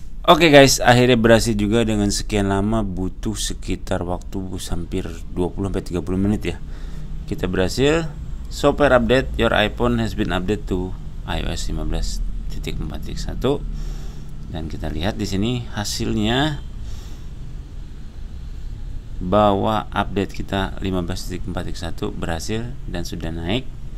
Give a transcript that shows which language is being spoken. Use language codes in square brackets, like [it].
[id] Oke guys, akhirnya berhasil juga dengan sekian lama, butuh sekitar waktu hampir 20-30 menit ya. Kita berhasil. [en] Software update, your iPhone has been updated to iOS 15.4.1. [id] Dan kita lihat di sini hasilnya. bahwa update kita 15.4.1 berhasil dan sudah naik.